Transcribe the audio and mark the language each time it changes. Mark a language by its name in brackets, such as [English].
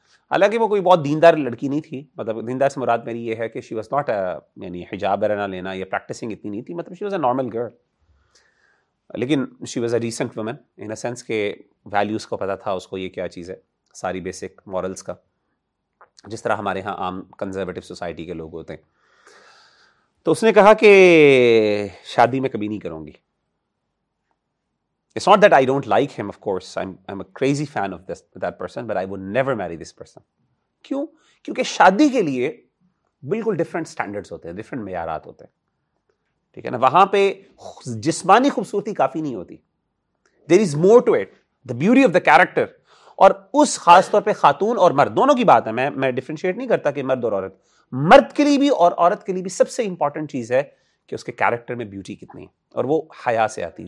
[Urdu] حالانکہ وہ کوئی بہت دیندار لڑکی نہیں تھی، مطلب دیندار سے مراد میری یہ ہے کہ [English] she was not [Urdu] یعنی حجاب رہنا لینا یا پریکٹسنگ اتنی نہیں تھی، مطلب [English] she was a normal girl, [Urdu] لیکن [English] she was a recent woman in a sense [Urdu] کہ ویلیوز کو پتا تھا اس کو یہ کیا چیز ہے، ساری بیسک مورلس کا، جس طرح ہمارے ہاں عام کنزرویٹو سوسائٹی کے لوگ ہوتے ہیں. تو اس نے کہا کہ شادی میں کبھی نہیں کروں گی. [English] It's not that I don't like him, of course. I'm a crazy fan of that person, but I would never marry this person. [Urdu] کیوں؟ کیونکہ شادی کے لیے بالکل ڈفرینٹ اسٹینڈرڈس ہوتے ہیں، ڈفرینٹ معیارات ہوتے ہیں، ٹھیک ہے نا؟ وہاں پہ جسمانی خوبصورتی کافی نہیں ہوتی، [English] There is more to it, the beauty of the character. [Urdu] اور اس خاص طور پہ خاتون اور مرد دونوں کی بات ہے، میں ڈفرینشیٹ نہیں کرتا کہ مرد اور عورت، مرد کے لیے بھی اور عورت کے لیے بھی سب سے امپورٹنٹ چیز ہے کہ اس کے کیریکٹر میں بیوٹی کتنی ہے، اور وہ حیا سے آتی ہے.